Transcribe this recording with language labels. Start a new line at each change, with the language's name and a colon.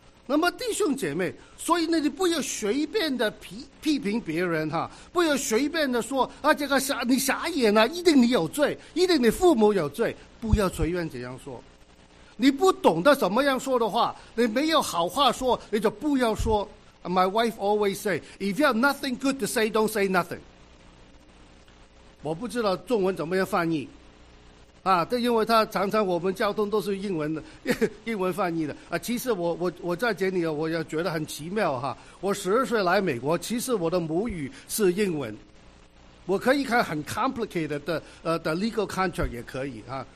Chinese: 那么弟兄姐妹，所以呢，你不要随便的批评别人哈，不要随便的说啊，这个你瞎眼了，一定你有罪，一定你父母有罪，不要随便这样说。你不懂得怎么样说的话，你没有好话说，你就不要说。
English: My wife always say, if you have nothing good to say, don't say nothing。
Chinese: 我不知道中文怎么样翻译啊，这因为他常常我们交通都是英文翻译的啊。其实我在这里我也觉得很奇妙哈，我10岁来美国，其实我的母语是英文，我可以看很 complicated 的 legal contract 也可以啊。